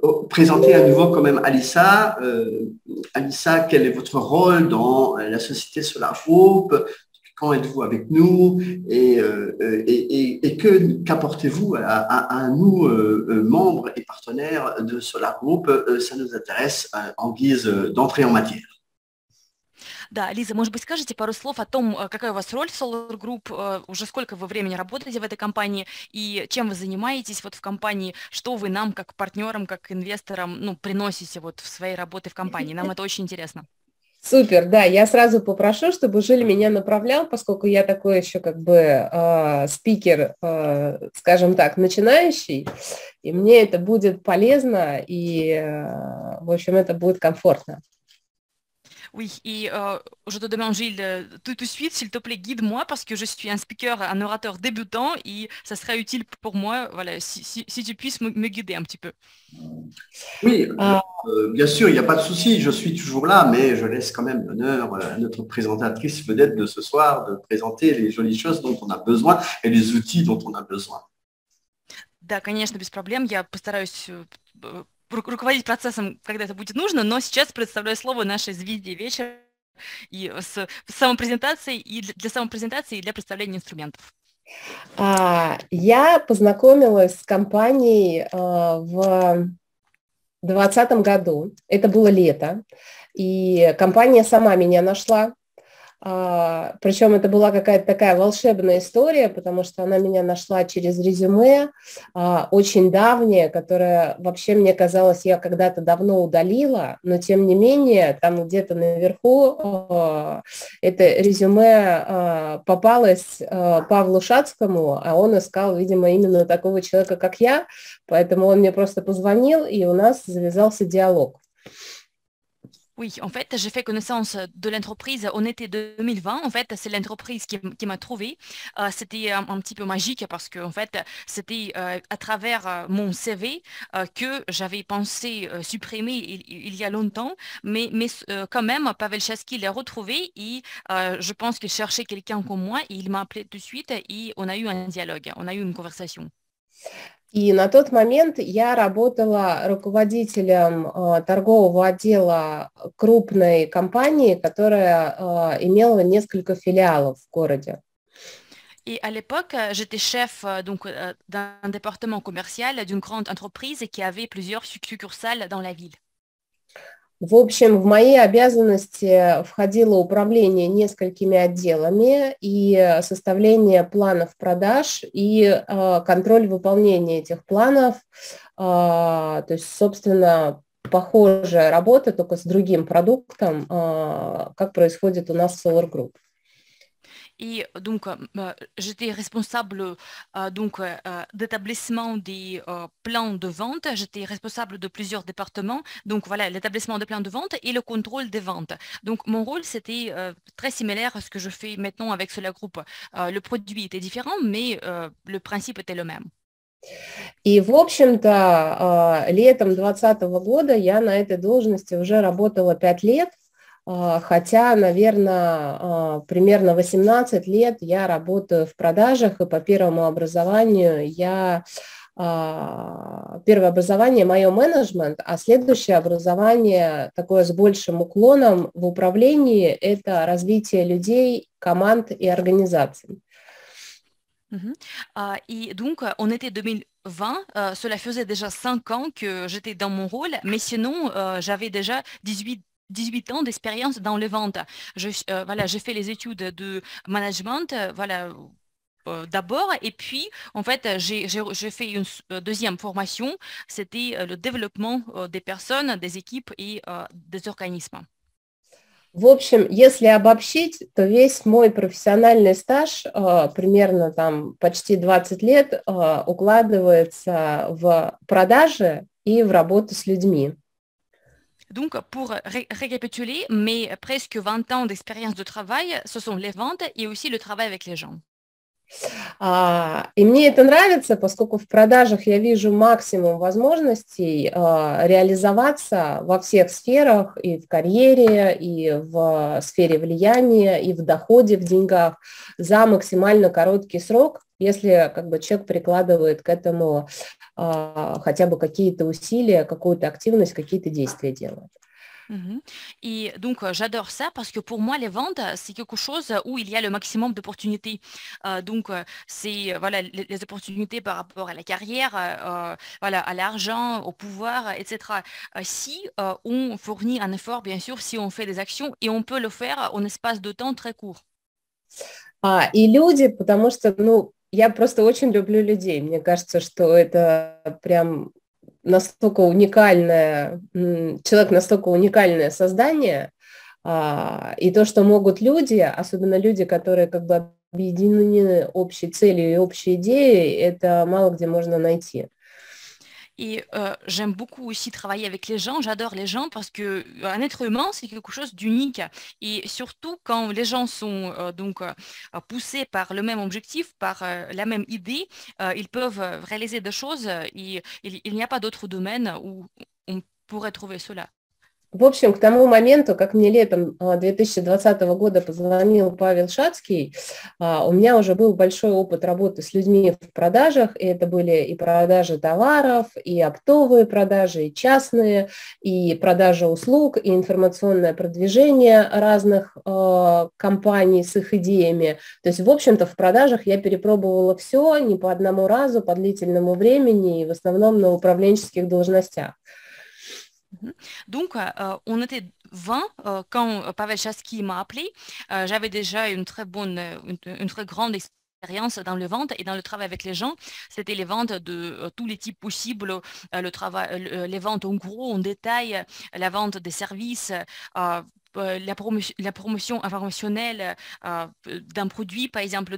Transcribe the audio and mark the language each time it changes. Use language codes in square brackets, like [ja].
[fr] Présenter à nouveau quand même Alissa. Alissa, quel est votre rôle dans la société Solar Group? Quand êtes-vous avec nous? Et qu'apportez-vous à nous, membres et partenaires de Solar Group? Ça nous intéresse en guise d'entrée en matière. [ru] Да, Лиза, может быть, скажете пару слов о том, какая у вас роль в Solar Group, уже сколько вы времени работаете в этой компании и чем вы занимаетесь вот в компании, что вы нам, как партнерам, как инвесторам, ну, приносите вот в своей работе в компании. Нам это очень интересно. Супер, да, я сразу попрошу, чтобы Жиль меня направлял, поскольку я такой еще как бы спикер, скажем так, начинающий, и мне это будет полезно, и, в общем, это будет комфортно. [fr] Oui, et je te demande, Gilles, tout de suite, s'il te plaît, guide-moi, parce que je suis un speaker, un orateur débutant, et ça serait utile pour moi, voilà, si tu puisses me guider un petit peu. Oui, bien sûr, il n'y a pas de souci, je suis toujours là, mais je laisse quand même l'honneur à notre présentatrice vedette de ce soir de présenter les jolies choses dont on a besoin et les outils dont on a besoin. [ru] Да, конечно, без проблем, я постараюсь... руководить процессом, когда это будет нужно, но сейчас предоставляю слово нашей звезде вечера и с самопрезентацией и для самопрезентации и для представления инструментов. Я познакомилась с компанией в 2020 году. Это было лето, и компания сама меня нашла. Причем это была какая-то такая волшебная история, потому что она меня нашла через резюме, очень давнее, которое вообще мне казалось, я когда-то давно удалила, но тем не менее там где-то наверху это резюме попалось Павлу Шацкому, а он искал, видимо, именно такого человека, как я, поэтому он мне просто позвонил, и у нас завязался диалог. [fr] Oui, en fait, j'ai fait connaissance de l'entreprise en été 2020. En fait, c'est l'entreprise qui m'a trouvé. C'était un petit peu magique parce que, en fait, c'était à travers mon CV que j'avais pensé supprimer il y a longtemps. Mais quand même, Pavel Chasky l'a retrouvé et je pense qu'il cherchait quelqu'un comme moi. Et il m'a appelé tout de suite et on a eu un dialogue, on a eu une conversation. [ru] И на тот момент я работала руководителем торгового отдела крупной компании, которая имела несколько филиалов в городе. И [fr] à l'époque, j'étais chef donc d'un département commercial d'une grande entreprise qui avait plusieurs succursales dans la ville. [ru] В общем, в мои обязанности входило управление несколькими отделами и составление планов продаж и контроль выполнения этих планов. То есть, собственно, похожая работа, только с другим продуктом, как происходит у нас в Solar Group. [fr] Et donc, j'étais responsable d'établissement des plans de vente. J'étais responsable de plusieurs départements. Donc, voilà, l'établissement des plans de vente et le contrôle des ventes. Donc, mon rôle, c'était très similaire à ce que je fais maintenant avec Solar Group. Le produit était différent, mais le principe était le même. [ru] И, в общем-то, летом 2020 года я на этой должности уже работала 5 лет. Хотя, наверное, примерно 18 лет я работаю в продажах, и по первому образованию я... Первое образование – мое менеджмент, а следующее образование, такое с большим уклоном в управлении – это развитие людей, команд и организаций. И, [fr] donc, on était 2020, cela faisait déjà 5 ans que j'étais dans mon rôle, mais sinon, j'avais déjà 18 ans d'expérience dans les ventes. Voilà, j'ai fait les études de management, voilà, d'abord, et puis, en fait, j'ai fait une deuxième formation, c'était le développement des personnes, des équipes et des organismes. [ru] В общем, если обобщить, то весь мой профессиональный стаж, примерно там почти 20 лет, укладывается в продажи и в работу с людьми. [fr] Donc, pour récapituler, mes presque 20 ans d'expérience de travail, ce sont les ventes et aussi le travail avec les gens. [ru] И мне это нравится, поскольку в продажах я вижу максимум возможностей реализоваться во всех сферах, и в карьере, и в сфере влияния, и в доходе, в деньгах, за максимально короткий срок, если как бы человек прикладывает к этому хотя бы какие-то усилия, какую-то активность, какие-то действия делает. [fr] Et donc j'adore ça parce que pour moi les ventes c'est quelque chose où il y a le maximum d'opportunités. Donc c'est voilà les opportunités par rapport à la carrière, voilà à l'argent, au pouvoir, etc. Si on fournit un effort, bien sûr, si on fait des actions et on peut le faire en espace de temps très court. Et [ru] люди, потому что ну я просто очень люблю людей. Мне кажется, что это прям настолько уникальное, человек настолько уникальное создание, и то, что могут люди, особенно люди, которые как бы объединены общей целью и общей идеей, это мало где можно найти. [fr] Et j'aime beaucoup aussi travailler avec les gens, j'adore les gens parce que un être humain c'est quelque chose d'unique et surtout quand les gens sont donc poussés par le même objectif, par la même idée, ils peuvent réaliser des choses et il n'y a pas d'autre domaine où on pourrait trouver cela. [ru] В общем, к тому моменту, как мне летом 2020 года позвонил Павел Шацкий, у меня уже был большой опыт работы с людьми в продажах, и это были и продажи товаров, и оптовые продажи, и частные, и продажи услуг, и информационное продвижение разных компаний с их идеями. То есть, в общем-то, в продажах я перепробовала все не по одному разу, по длительному времени, и в основном на управленческих должностях. [fr] Donc, on était 20, quand Pavel Chatzky m'a appelé, j'avais déjà une très grande expérience dans le vente et dans le travail avec les gens. C'était les ventes de tous les types possibles, le travail, les ventes en gros, en détail, la vente des services, la promotion informationnelle d'un produit, par exemple.